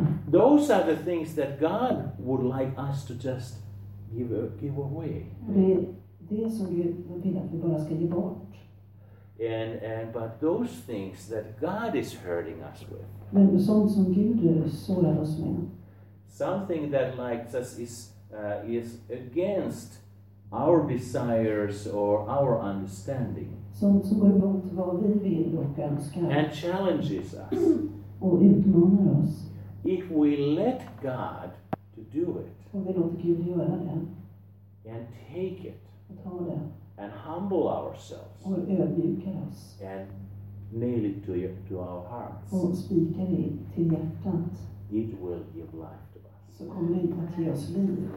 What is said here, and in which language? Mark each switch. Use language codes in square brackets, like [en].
[en] Those are the things that God would like us to just give away. [sv] Det är som Gud vill att vi bara ska ge bort. [en] And but those things that God is hurting us with. [sv] Men sånt som Gud sårar oss med. [en] Something that like just is against our desires or our understanding. [sv] Sånt som går emot vad vi vill och önskar. [en] And challenges us. [sv] Och utmanar oss. [en] If we let God to do it. [sv] Om vi låter Gud göra det. [en] And take it. [sv] Och ta det. [en] And humble ourselves. [sv] Och ödmjuka oss. [en] And nail it to our hearts. [sv] Och spika det till hjärtat. [en] It will give life to us. [sv] Så kommer det att ge oss liv.